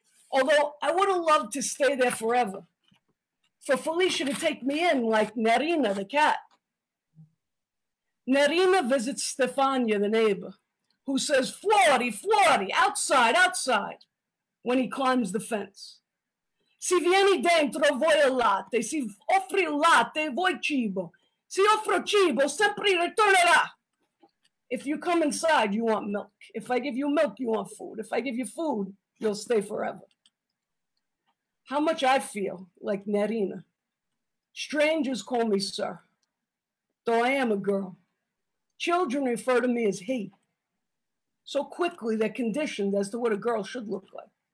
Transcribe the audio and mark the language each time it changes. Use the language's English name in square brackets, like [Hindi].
[English] Although I would have loved to stay there forever, for Felicia to take me in like Nerina the cat. Nerina visits Stefania, the neighbor, who says, [Italian] "Fuori, fuori, [English] outside, outside," when he climbs the fence. [Italian] "Si vieni dentro, vuoi il latte, si offri il latte, vuoi cibo, si offro cibo, sempre ritornerà." [English] If you come inside, you want milk. If I give you milk, you want food. If I give you food, you'll stay forever. How much I feel like Nerina. Strangers call me sir, though I am a girl. Children refer to me as he. So quickly, they're conditioned as to what a girl should look like.